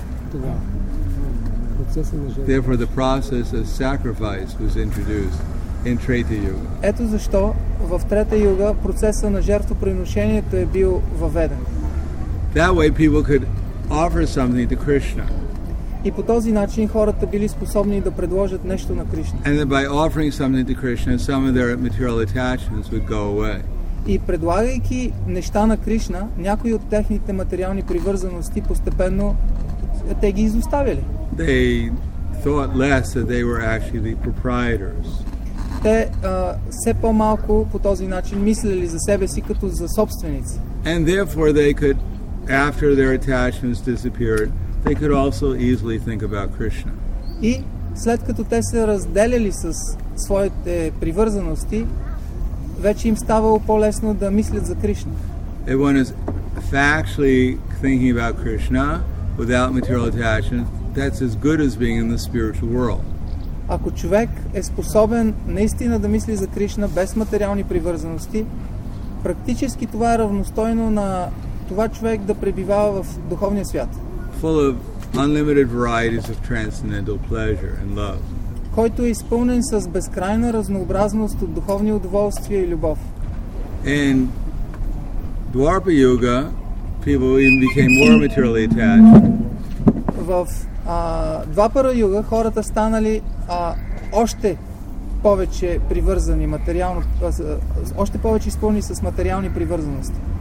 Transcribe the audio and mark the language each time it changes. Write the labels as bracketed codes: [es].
[en] Therefore the process of sacrifice was introduced in Treta Yuga. [bg] Ето защо в Трета Юга процеса на жертвоприношението е бил въведен. [en] That way people could offer something to Krishna. [bg] И по този начин хората били способни да предложат нещо на Кришна. [en] And by offering something to Krishna, some of their material attachments would go away. [bg] И предлагайки неща на Кришна, някои от техните материални привързаности постепенно те ги изоставили. [en] They thought less that they were actually the proprietors. [bg] Те все по-малко по този начин мислили за себе си като за собственици. [en] And therefore they could, after their attachments disappeared, they could also easily think about Krishna. [bg] И след като те се разделили с своите привързаности, вече им ставало по-лесно да мислят за Кришна. [en] If one is factually thinking about Krishna without material attachment, that's as good as being in the spiritual world. [bg] Ако човек е способен наистина да мисли за Кришна без материални привързаности, практически това е равностойно на това човек да пребивава в духовния свят. [en] Full of unlimited varieties of transcendental pleasure and love. [bg] Който е изпълнен с безкрайна разнообразност от духовни удоволствия и любов. [en] In Dwarpa Yuga, people even became more materially attached. [bg] В Двапара Юга хората станали още повече привързани материално, още повече изпълнени с материални привързаности.